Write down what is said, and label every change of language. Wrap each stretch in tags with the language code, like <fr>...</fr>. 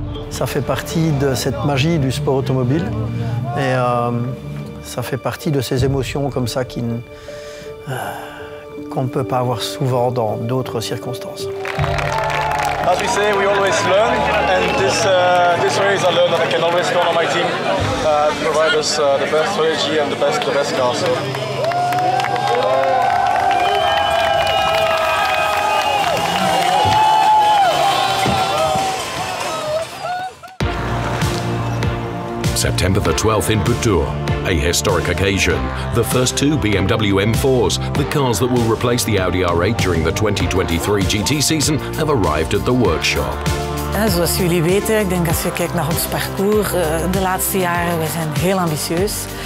<fr>Ça fait partie de cette magie du sport automobile. Et ça fait partie de ces émotions comme ça qui... qu'on ne peut pas avoir souvent dans d'autres circonstances.</fr> <en>As we say, we always learn, and this race I learned that I can always count on my team to provide us the best strategy and the best car. So. September the 12th in Boutour. A historic occasion. The first two BMW M4s, the cars that will replace the Audi R8 during the 2023 GT season, have arrived at the workshop.</en> <nl>Zoals jullie weten, ik denk als je kijkt naar ons parcours de laatste jaren, we zijn heel ambitieus.</nl>